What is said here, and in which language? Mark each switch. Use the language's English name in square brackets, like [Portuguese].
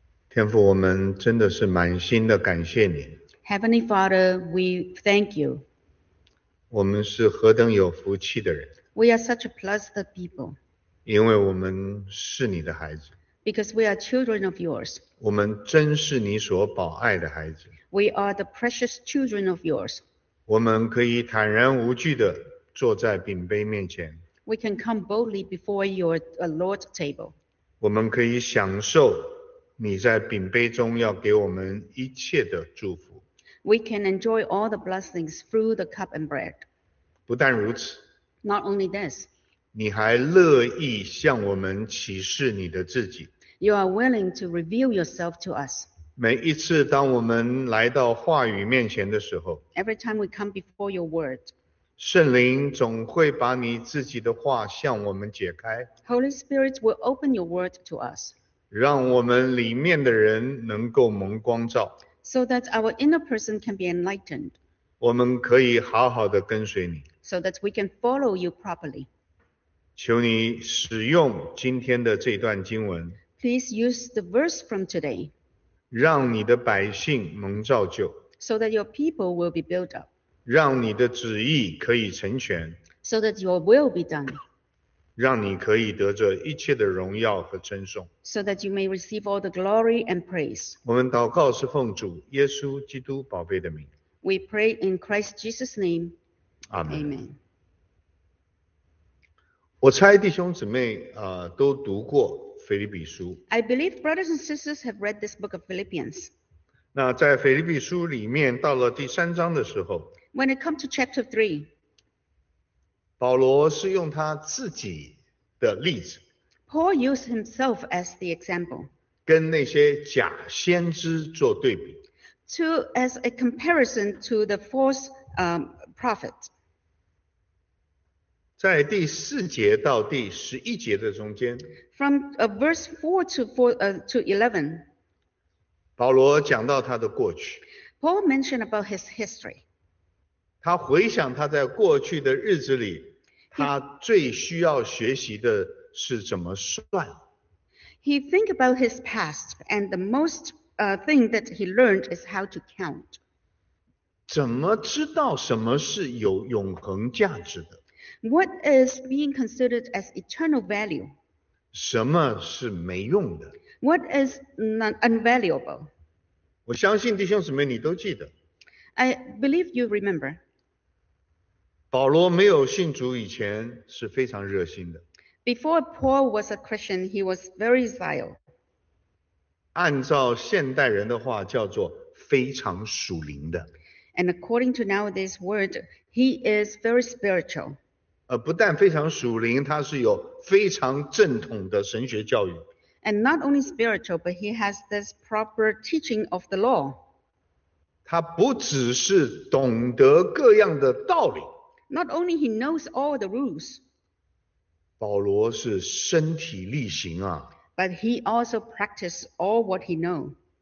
[Chinese] 天父，我们真的是满心的感谢你。 [English] Heavenly Father, we thank you. [Chinese] 我们是何等有福气的人。 [English] We are such a blessed people. [Chinese] 因为我们是你的孩子。 [English] Because we are children of yours. [Chinese] 我们真是你所宝爱的孩子。 [English] We are the precious children of yours. [Chinese] 我们可以坦然无惧地坐在饼杯面前。 [English] We can come boldly before your Lord's table. [Chinese] 我们可以享受你在饼杯中要给我们一切的祝福。 [English] We can enjoy all the blessings through the cup and bread. [Chinese] 不但如此。 [English] Not only this. [Chinese] 你还乐意向我们启示你的自己。 [English] You are willing to reveal yourself to us. [Chinese] 每一次当我们来到话语面前的时候 [English] ，Every time we come before your word， [Chinese] 圣灵总会把你自己的话向我们解开。 [English] Holy Spirit will open your word to us， [Chinese] 让我们里面的人能够蒙光照 [English] ，so that our inner person can be enlightened。 [Chinese] 我们可以好好的跟随你 [English] ，so that we can follow you properly。 [Chinese] 求你使用今天的这段经文 [English] ，Please use the verse from today， [Chinese] 让你的百姓蒙造就 [English] ，so that your people will be built up， [Chinese] 让你的旨意可以成全 [English] ，so that your will be done， [Chinese] 让你可以得着一切的荣耀和称颂 [English] ，so that you may receive all the glory and praise。 [Chinese] 我们祷告是奉主耶稣基督宝贝的名。 [English] We pray in Christ Jesus' name， Amen。 Amen。 [Chinese] 我猜弟兄姊妹都读过腓立比书。 [English] I believe brothers and sisters have read this book of Philippians. [Chinese] 那在腓立比书里面到了第三章的时候 [English] ，When it comes to chapter 3， [Chinese] 保罗是用他自己的例子 [English] ，Paul used himself as the example， [Chinese] 跟那些假先知做对比 [English] ，to as a comparison to the false prophet。 [Chinese] 在第四节到第十一节的中间 [English] ，from verse 4 to 11， [Chinese] 保罗讲到他的过去 [English] ，Paul mentioned about his history。 [Chinese] 他回想他在过去的日子里，他最需要学习的是怎么算。 [English] He think about his past, and the most thing that he learned is how to count。 [Chinese] 怎么知道什么是有永恒价值的？ [English] What is being considered as eternal value? [Chinese] 什么是没用的？ [English] What is unvaluable? [Chinese] 我相信弟兄姊妹你都记得。 [English] I believe you remember. [Chinese] 保罗没有信主以前是非常热心的。 [English] Before Paul was a Christian, he was very zeal. [Chinese] 按照现代人的话叫做非常属灵的。 [English] And according to nowadays word, he is very spiritual. [Chinese] 不但非常属灵，他是有非常正统的神学教育。 [English] And not only spiritual, but he has this proper teaching of the law. [Chinese] 他不只是懂得各样的道理。 [English] Not only he knows all the rules. [Chinese] 保罗是身体力行啊。 [English] But he also practices all what he knows.